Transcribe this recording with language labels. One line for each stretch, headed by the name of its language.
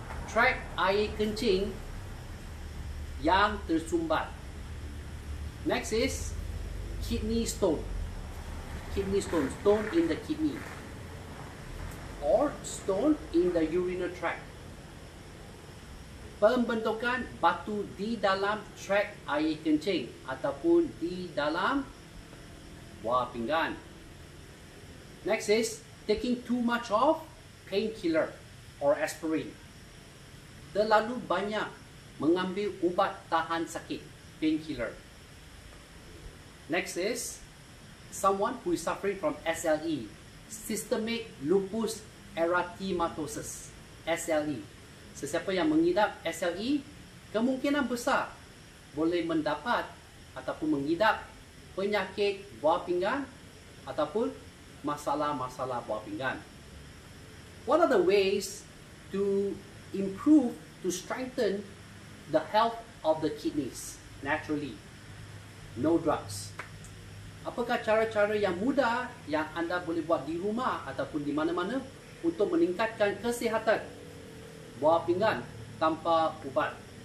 Malay: Tract air kencing yang tersumbat.
English: Next is kidney stone, stone in the kidney or stone in the urinary tract.
Malay: Pembentukan batu di dalam tract air kencing ataupun di dalam buah pinggang.
English: Next is taking too much of painkiller or aspirin.
Malay: Terlalu banyak mengambil ubat tahan sakit, painkiller.
English: Next is someone who is suffering from SLE, systemic lupus erythematosus, SLE.
Malay: Sesiapa yang mengidap SLE, kemungkinan besar boleh mendapat ataupun mengidap penyakit buah pinggang ataupun masalah-masalah buah pinggang.
English: What are the ways to improve, to strengthen the health of the kidneys naturally? No drugs.
Malay: Apakah cara-cara yang mudah yang anda boleh buat di rumah ataupun di mana-mana untuk meningkatkan kesihatan buah pinggang tanpa ubat?